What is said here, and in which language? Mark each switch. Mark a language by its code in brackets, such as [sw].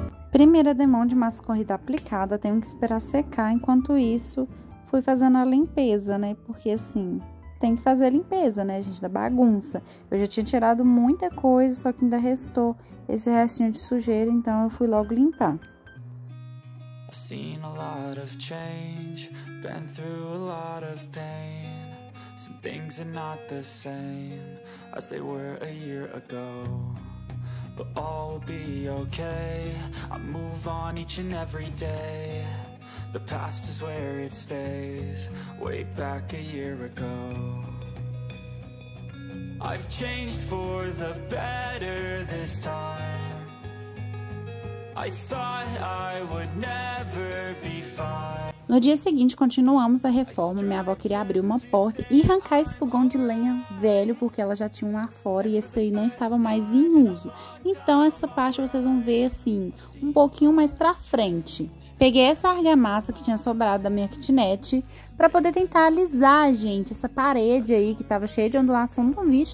[pt] Primeira demão de massa corrida aplicada, tenho que esperar secar. Enquanto isso, fui fazendo a limpeza, né? Porque assim, tem que fazer a limpeza, né, gente? Da bagunça. Eu já tinha tirado muita coisa, só que ainda restou esse restinho de sujeira, então eu fui logo limpar. [en] I've seen a lot of change, been through a lot of pain. Some things are not the same as they were a year ago. But all will be okay, I move on each and every day. The past is where it stays, way back a year ago. I've changed for the better this time. I thought I would never be fine. [pt] No dia seguinte, continuamos a reforma. Minha avó queria abrir uma porta e arrancar esse fogão de lenha velho, porque ela já tinha um lá fora e esse aí não estava mais em uso. Então, essa parte vocês vão ver, assim, um pouquinho mais pra frente. Peguei essa argamassa que tinha sobrado da minha kitnet pra poder tentar alisar, gente, essa parede aí que estava cheia de ondulação no vídeo.